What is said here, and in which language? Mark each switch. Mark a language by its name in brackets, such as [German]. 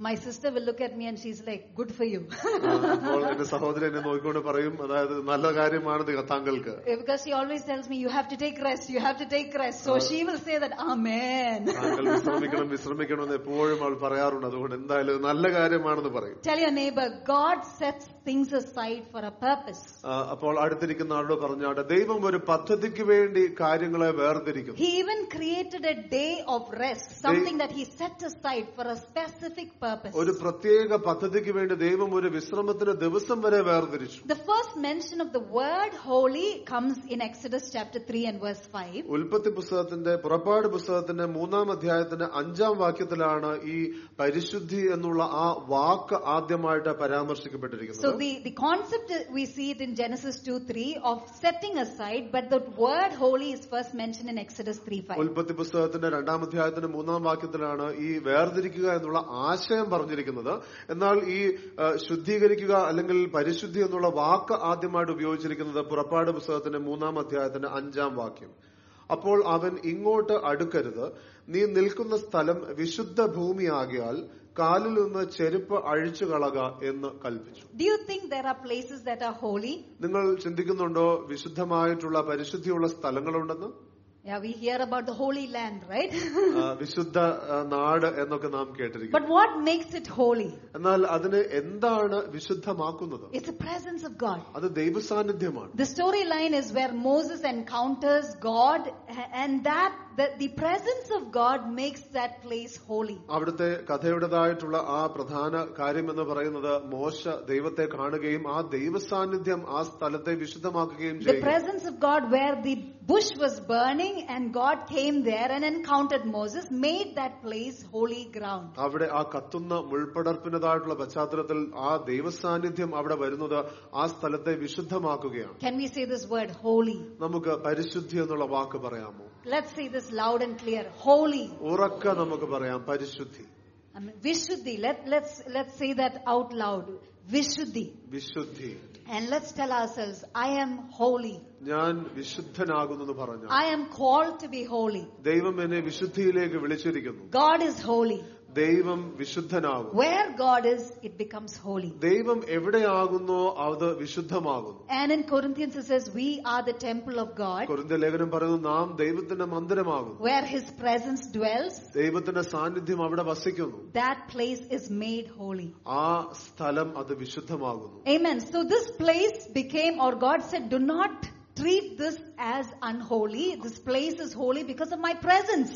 [English] My sister will look at me and she is like good for you. [Malayalam] എന്റെ സഹോദരി എന്നെ നോക്കിക്കൊണ്ട് പറയും, അതായത് നല്ല കാര്യമാണ് താങ്കൾക്ക്. [English] Because she always tells me you have to take rest, you have to take rest. So she will say that amen. [Malayalam] വിശ്രമിക്കണം വിശ്രമിക്കണം എന്ന് എപ്പോഴും അവൾ പറയാറുണ്ട്. അതുകൊണ്ട് എന്തായാലും നല്ല കാര്യമാണെന്ന് പറയും. [English] Tell your neighbor, God sets things aside for a purpose. [Malayalam] അപ്പോൾ അടുത്തിരിക്കുന്ന ആളോട് പറഞ്ഞാട്ടെ, ദൈവം ഒരു പദ്ധതിക്ക് വേണ്ടി കാര്യങ്ങളെ വേർതിരിക്കുന്നു. [English] He even created a day of rest, something that he set aside for a specific purpose. [Malayalam] ഒരു പ്രത്യേക പദ്ധതിക്ക് വേണ്ടി ദൈവം ഒരു വിശ്രമത്തിന്റെ ദിവസം വരെ വേർതിരിച്ചു. [English] The first mention of the word holy comes in Exodus chapter 3 and verse 5. [Malayalam] ഉൽപ്പത്തി പുസ്തകത്തിന്റെ പുറപ്പാട് പുസ്തകത്തിന്റെ മൂന്നാം അധ്യായത്തിന്റെ അഞ്ചാം വാക്യത്തിലാണ് ഈ പരിശുദ്ധി എന്നുള്ള ആ വാക്ക് ആദ്യമായിട്ട് പരാമർശിക്കപ്പെട്ടിരിക്കുന്നത്. [English] So the concept we see it in Genesis 2:3 of setting aside, but the word holy is first mentioned in Exodus 3:5. [Malayalam] ഉൽപ്പത്തി പുസ്തകത്തിന്റെ രണ്ടാം അധ്യായത്തിന്റെ മൂന്നാം വാക്യത്തിലാണ് ഈ വേർതിരിക്കുക എന്നുള്ള ആശയം പറഞ്ഞിരിക്കുന്നത്. എന്നാൽ ഈ ശുദ്ധീകരിക്കുക അല്ലെങ്കിൽ പരിശുദ്ധി എന്നുള്ള വാക്ക് ആദ്യമായിട്ട് ഉപയോഗിച്ചിരിക്കുന്നത് പുറപ്പാട് പുസ്തകത്തിന്റെ മൂന്നാം അധ്യായത്തിന്റെ അഞ്ചാം വാക്യം. അപ്പോൾ അവൻ ഇങ്ങോട്ട് അടുക്കരുത്, നീ നിൽക്കുന്ന സ്ഥലം വിശുദ്ധ ഭൂമിയാകിയാൽ കാലിൽ നിന്ന് ചെരുപ്പ് അഴിച്ചു കളക എന്ന് കൽപ്പിച്ചു. [English] Do you think there are places that are holy? [Malayalam] നിങ്ങൾ ചിന്തിക്കുന്നുണ്ടോ വിശുദ്ധമായിട്ടുള്ള പരിശുദ്ധിയുള്ള സ്ഥലങ്ങളുണ്ടെന്ന്? [English] Yeah, we hear about the holy land, right? [Malayalam] വിശുദ്ധ നാട് എന്നൊക്കെ നാം കേട്ടിരിക്കും. [English] But what makes it holy? [Malayalam] എന്നാൽ അതിനെ എന്താണ് വിശുദ്ധമാക്കുന്നത്? [English] It's the presence of God. [Malayalam] അത് ദൈവസാന്നിധ്യമാണ്. [English] The storyline is where Moses encounters God, and that the presence of God makes that place holy. [Malayalam] അവിടുത്തെ കഥയുടേതായിട്ടുള്ള ആ പ്രധാന കാര്യം എന്ന് പറയുന്നത് മോശ ദൈവത്തെ കാണുകയും ആ ദൈവസാന്നിധ്യം ആ സ്ഥലത്തെ വിശുദ്ധമാക്കുകയും ചെയ്യുന്നു. [English] The presence of God where the bush was burning and God came there and encountered Moses made that place holy ground. [Malayalam] അവിടെ ആ കത്തുന്ന മുൾപടർപ്പിനേതായിട്ടുള്ള പശ്ചാത്തലത്തിൽ ആ ദൈവസാന്നിധ്യം അവിടെ വരുന്നത് ആ സ്ഥലത്തെ വിശുദ്ധമാക്കുകയാണ്. [English] Can we say this word holy? [Malayalam] നമുക്ക് പരിശുദ്ധി എന്നുള്ള വാക്ക് പറയാമോ? [English] Let's say this loud and clear. Holy. [Malayalam] ഉറക്കെ നമുക്ക് പറയാം പരിശുദ്ധി. [English] വിശുദ്ധി. Let's say that out loud. വിശുദ്ധി. [Malayalam] വിശുദ്ധി. [English] And let's tell ourselves, I am holy. [Malayalam] ഞാൻ വിശുദ്ധനാകുന്നു എന്ന് പറഞ്ഞു. [English] I am called to be holy. [Malayalam] ദൈവം എന്നെ വിശുദ്ധിയിലേക്ക് വിളിച്ചിരിക്കുന്നു. [English] God is holy. [Malayalam] ദൈവം വിശുദ്ധനാകും. [English] Where God is, it becomes holy. [Malayalam] ദൈവം എവിടെയാകുന്നു അത് വിശുദ്ധമാകും. [English] And in Corinthians it says, we are the temple of God. [Malayalam] കൊരിന്ത്യ ലേഖനം പറയുന്നു നാം ദൈവത്തിന്റെ മന്ദിരമാകും. [English] Where his presence dwells. [Malayalam] ദൈവത്തിന്റെ സാന്നിധ്യം അവിടെ വസിക്കുന്നു. [English] That place is made holy. [Malayalam] ആ സ്ഥലം അത് വിശുദ്ധമാകുന്നു. [English] Amen. So this place became, or God said, do not treat this as unholy. This place is holy because of my presence.